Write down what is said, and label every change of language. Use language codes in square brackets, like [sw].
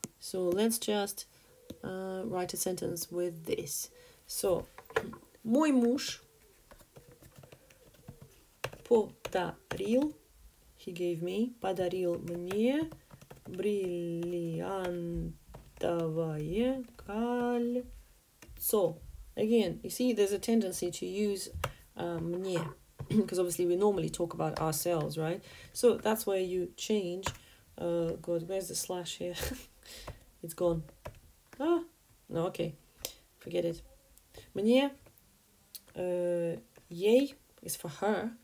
[en] So, let's just write a sentence with this. [ru] So, мой муж подарил, [en] he gave me, [ru] подарил мне бриллиантовое кольцо. [en] Again, you see, there's a tendency to use [ru] мне, [en] because obviously we normally talk about ourselves, right? So that's where you change. God, where's the slash here? It's gone. Ah, no, okay. Forget it. [ru] Мне, ей [en] is for her.